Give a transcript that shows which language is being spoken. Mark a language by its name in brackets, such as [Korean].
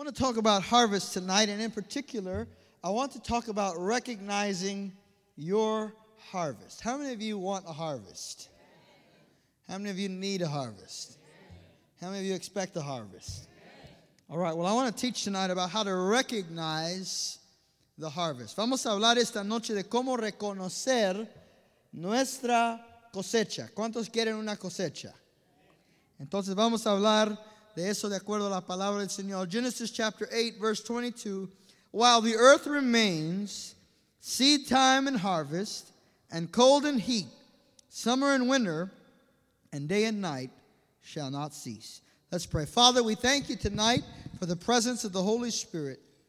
[English] talk about harvest tonight, and in particular, I want to talk about recognizing your harvest. How many of you want a harvest? How many of you need a harvest? How many of you expect a harvest? All right, well, I want to teach tonight about how to recognize the harvest. [Spanish] Vamos a hablar esta noche de cómo reconocer nuestra cosecha. ¿Cuántos quieren una cosecha? Entonces, vamos a hablar de eso de acuerdo a la palabra del Señor. [English] Genesis chapter 8, verse 22. While the earth remains, seed time and harvest, and cold and heat, summer and winter, and day and night shall not cease. Let's pray. Father, we thank you tonight for the presence of the Holy Spirit.